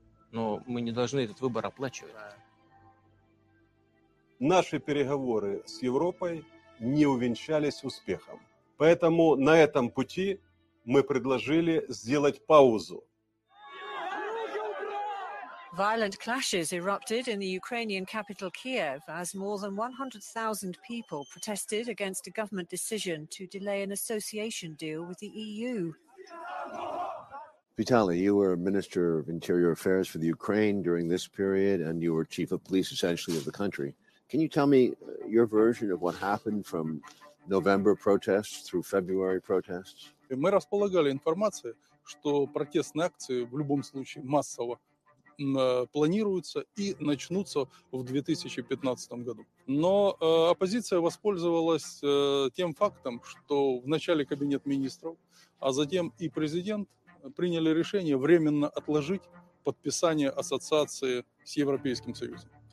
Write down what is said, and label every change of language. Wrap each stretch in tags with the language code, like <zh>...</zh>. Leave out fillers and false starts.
<ru>Но мы не должны этот выбор оплачивать. Наши переговоры с Европой не увенчались успехом. Поэтому на этом пути мы предложили сделать паузу.</ru> <en>Violent clashes erupted in the Ukrainian capital Kiev as more than 100,000 people protested against a government decision to delay an association deal with the EU. Vitaly, you were Minister of Interior Affairs for the Ukraine during this period, and you were Chief of Police, essentially, of the country. Can you tell me your version of what happened from November protests through February protests.</en> <uk>І ми располагали інформацію, що протестні акції в будь-якому випадку масово</uk> <ru>планируются и начнутся в 2015 году. Но оппозиция воспользовалась тем фактом, что вначале кабинет министров, а затем и президент приняли решение временно отложить подписание ассоциации с Европейским Союзом.</ru>